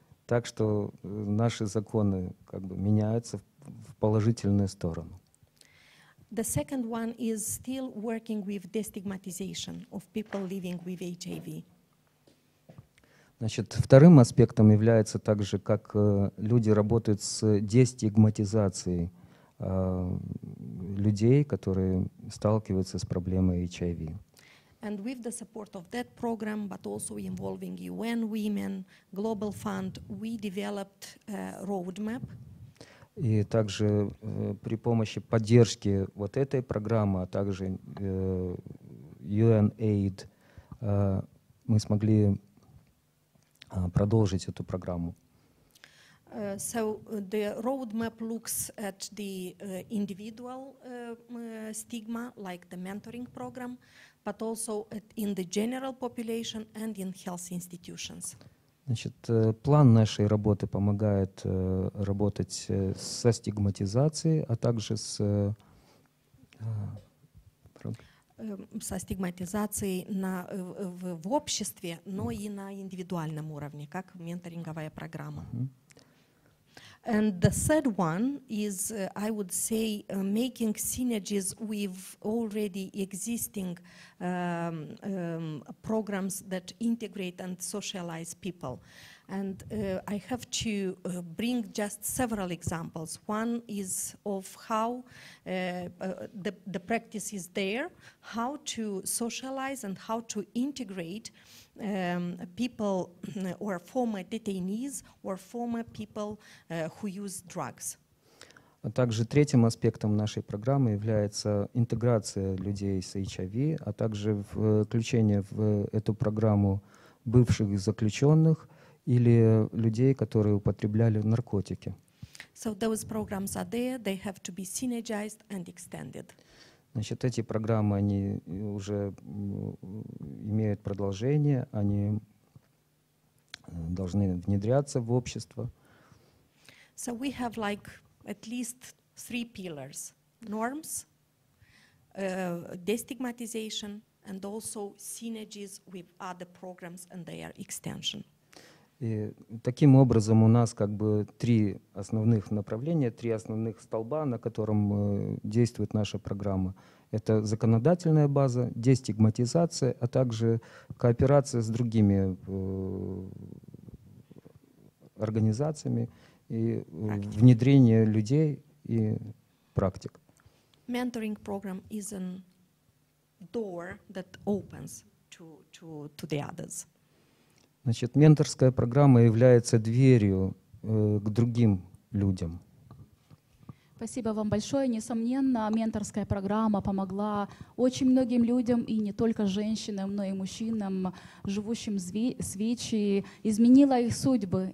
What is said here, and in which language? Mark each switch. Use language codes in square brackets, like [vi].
[ru] Так что наши законы как бы меняются в положительную сторону. [en] The second one is still working with destigmatization of people living with HIV. [ru] Значит, вторым аспектом является также, как люди работают с дестигматизацией людей, которые сталкиваются с проблемой HIV. [en] And with the support of that program, but also involving UN Women, Global Fund, we developed a roadmap. [ru] И также при помощи поддержки вот этой программы, а также UNAID, мы смогли продолжить эту программу. [en] So the roadmap looks at the individual stigma, like the mentoring program, but also at in the general population and in health institutions. [ru] Значит, план нашей работы помогает работать со стигматизацией, а также с со стигматизацией на, в обществе, но и на индивидуальном уровне, как менторинговая программа. [en] And the third one is, I would say, making synergies with already existing programs that integrate and socialize people. And I have to bring just several examples. One is of how the practice is there, how to socialize and how to integrate people or former detainees or former people who use drugs. [ru] А также третьим аспектом нашей программы является интеграция людей с HIV, а также включение в эту программу бывших заключенных или людей, которые употребляли наркотики. [en] So those programs are there, they have to be synergized and extended. [ru] Значит, эти программы, они уже имеют продолжение, они должны внедряться в общество. [en] So we have like at least three pillars: norms, destigmatization, and also synergies with other programs and their extension. [ru] И таким образом у нас как бы три основных направления, три основных столба, на котором действует наша программа. Это законодательная база, дестигматизация, а также кооперация с другими организациями и внедрение людей и практик. [en] Mentoring program is a door that opens to the others. [ru] Значит, менторская программа является дверью к другим людям. Спасибо вам большое. Несомненно, менторская программа помогла очень многим людям, и не только женщинам, но и мужчинам, живущим с ВИЧ, и изменила их судьбы.